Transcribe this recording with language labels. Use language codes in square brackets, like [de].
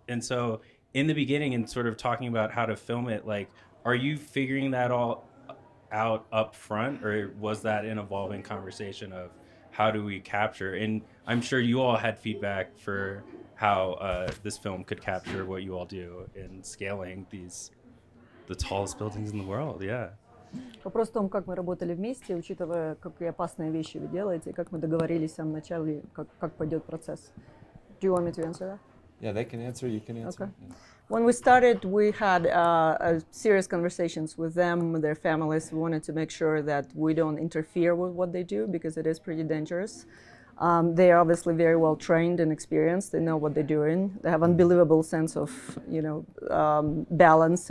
[en] And so in the beginning, and sort of talking about how to film it, like, are you figuring that all out up front? Or was that an evolving conversation of how do we capture? And I'm sure you all had feedback for how this film could capture what you all do in scaling these, the tallest buildings in the world, yeah. [ru] Вопрос в том, как мы работали вместе, учитывая, какие опасные вещи вы делаете, как мы договорились в самом начале, как пойдет процесс. [en] Do you want me to answer that? Yeah, they can answer, you can answer. Okay. When we started, we had serious conversations with them, their families. We wanted to make sure that we don't interfere with what they do because it is pretty dangerous. They are obviously very well trained and experienced. They know what they're doing. They have unbelievable sense of, you know, balance.